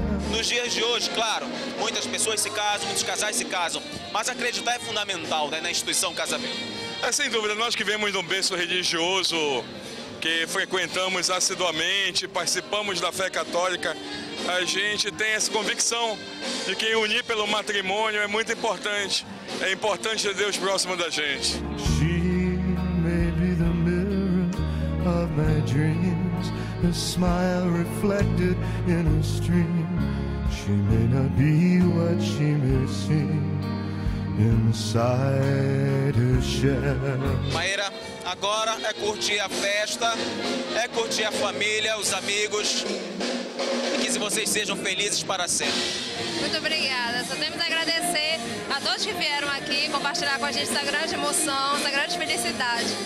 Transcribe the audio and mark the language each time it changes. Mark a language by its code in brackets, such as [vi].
[pt] nos dias de hoje, claro, muitas pessoas se casam, muitos casais se casam, mas acreditar é fundamental, né, na instituição casamento. É, sem dúvida, nós que vemos um berço religioso, que frequentamos assiduamente, participamos da fé católica, a gente tem essa convicção de que unir pelo matrimônio é muito importante. É importante ter Deus próximo da gente. [en] She may be the mirror of my dreams, a smile reflected in a stream. She may not be what she may seem inside her shell. [pt] Maíra, agora é curtir a festa, é curtir a família, os amigos. E que vocês sejam felizes para sempre. Muito obrigada. Só temos a agradecer a todos que vieram aqui compartilhar com a gente essa grande emoção, essa grande felicidade.